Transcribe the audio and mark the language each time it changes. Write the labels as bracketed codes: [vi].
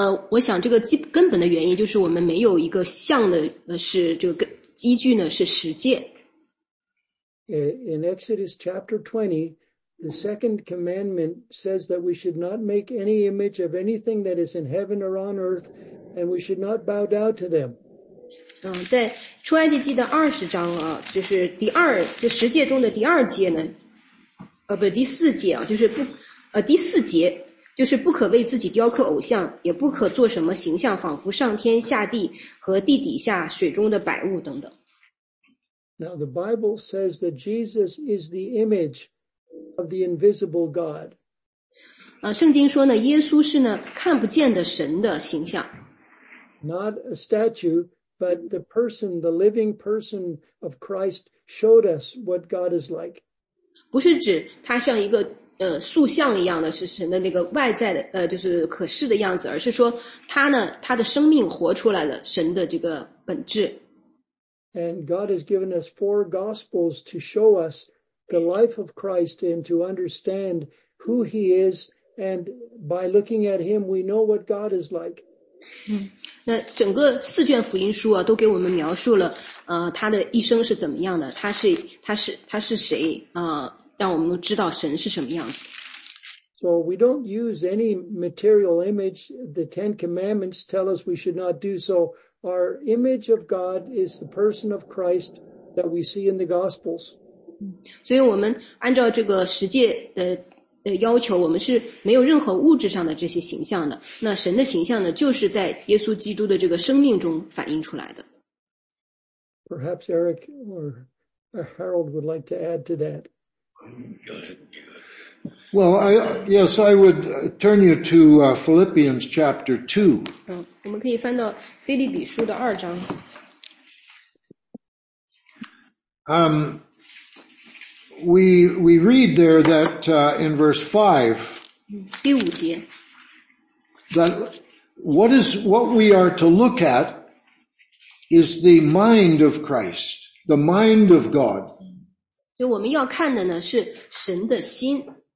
[zh] 我想这个根本的原因就是我们没有一个像的是这个依据呢是十诫。 [en] In Exodus chapter 20, the second commandment says that we should not make any image of anything that is in heaven or on earth, and we should not bow down to them. [zh] 在出埃及记的二十章啊，就是第二，就十诫中的第二诫呢，不是第四诫啊，就是不，第四节就是不可为自己雕刻偶像，也不可做什么形象，仿佛上天下地和地底下水中的百物等等。 [en] Now the Bible says that Jesus is the image of the invisible God. [zh] 圣经说呢，耶稣是呢看不见的神的形象。 [en] Not a statue, but the person, the living person of Christ showed us what God is like. [zh] 不是指他像一个塑像一样的是神的那个外在的就是可视的样子，而是说他呢他的生命活出来了神的这个本质。 [en] And God has given us four gospels to show us the life of Christ and to understand who he is. And by looking at him, we know what God is like. [zh] 那整个四卷福音书啊都给我们描述了他的一生是怎么样的，他是谁让我们知道神是什么样子。 [en] So we don't use any material image. The Ten Commandments tell us we should not do so. Our image of God is the person of Christ that we see in the Gospels. [zh] 所以我们按照这个十诫的要求，我们是没有任何物质上的这些形象的。那神的形象呢，就是在耶稣基督的这个生命中反映出来的。 [en] Perhaps Eric or Harold would like to add to that. Well, I would turn you to Philippians chapter 2. [zh] 我们可以翻到腓立比书的二章。 [en] We read there that in verse 5, [zh] 第五节, [en] that what we are to look at is the mind of Christ, the mind of God. [zh] 就我们要看的呢是神的心。